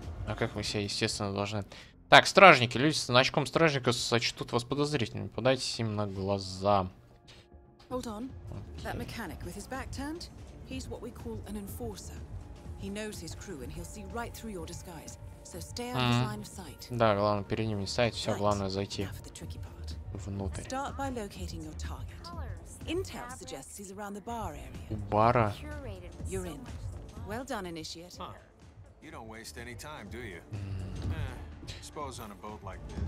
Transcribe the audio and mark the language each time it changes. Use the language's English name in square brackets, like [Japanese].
[Russian] А как мы себя, естественно, должны... Так, стражники. Люди с значком стражника сочтут вас подозрительными. Подайтесь им на глаза. [English] Hold on. That mechanic with his back turned, he's what we call an enforcer. He knows his crew and he'll see right through your disguise. So stay out of line of sight. [Russian] Да, главное перед ним не стоять, все главное зайти внутрь. [English] Start by locating your target. Intel suggests he's around the bar area. [Russian] У бара. [English] You're in. Well done, initiate. You don't waste any time, do you? Suppose on a boat like this.